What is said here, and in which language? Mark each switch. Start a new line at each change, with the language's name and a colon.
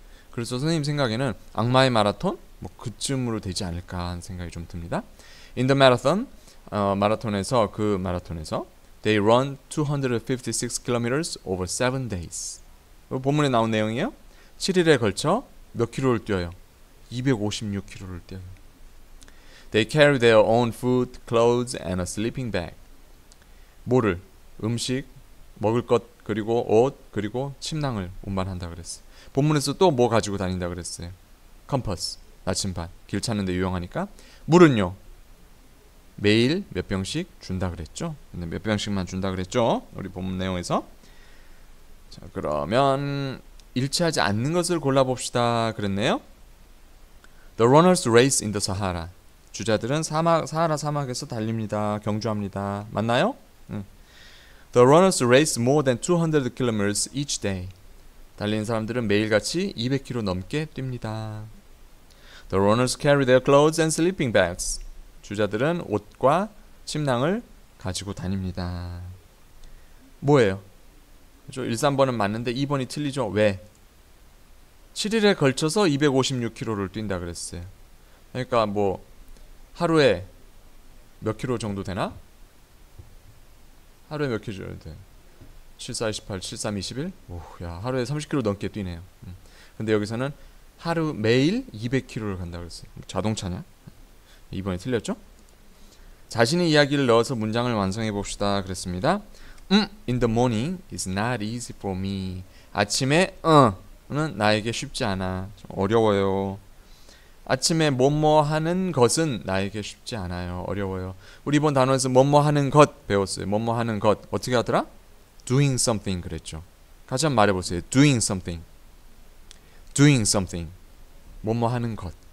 Korean: 그래서 선생님 생각에는 악마의 마라톤 뭐 그쯤으로 되지 않을까 하는 생각이 좀 듭니다.
English: In the marathon,
Korean: 마라톤에서
English: they run 256 kilometers over 7 days.
Korean: 본문에 나온 내용이에요. 7일에 걸쳐 몇 킬로를 뛰어요? 256 킬로를 뛰어요.
English: They carry their own food, clothes, and a sleeping bag.
Korean: 뭐를? 음식, 먹을 것, 그리고 옷, 그리고 침낭을 운반한다 그랬어요. 본문에서 또 뭐 가지고 다닌다 그랬어요? 컴퍼스, 나침반, 길 찾는 데 유용하니까. 물은요? 매일 몇 병씩 준다 그랬죠? 근데 몇 병씩만 준다 그랬죠? 우리 본문 내용에서. 자, 그러면 일치하지 않는 것을 골라봅시다 그랬네요.
English: The runners race in the Sahara.
Korean: 주자들은 사하라 사막에서 달립니다. 경주합니다. 맞나요?
English: 응. The runners race more than 200 kilometers each day.
Korean: 달리는 사람들은 매일같이 200km 넘게 뜁니다.
English: The runners carry their clothes and sleeping bags.
Korean: 주자들은 옷과 침낭을 가지고 다닙니다. 뭐예요? 그렇죠? 1, 3번은 맞는데 2번이 틀리죠? 왜? 7일에 걸쳐서 256km를 뛴다 그랬어요. 그러니까 뭐 하루에 몇 킬로 정도 되나? 하루에 몇 킬로 정도 돼? 74, 28, 73, 21? 오야, 하루에 30킬로 넘게 뛰네요. 근데 여기서는 하루 매일 200킬로를 간다고 그랬어요. 자동차냐? 이번에 틀렸죠? 자신의 이야기를 넣어서 문장을 완성해봅시다 그랬습니다.
English: In the morning is not easy for me.
Korean: 아침에 는 나에게 쉽지 않아. 좀 어려워요. 아침에 뭐뭐 하는 것은 나에게 쉽지 않아요. 어려워요. 우리 이번 단원에서 뭐뭐 하는 것 배웠어요. 뭐뭐 하는 것. 어떻게 하더라?
English: Doing something
Korean: 그랬죠. 같이 한번 말해보세요. Doing something. Doing something. 뭐뭐 하는 것.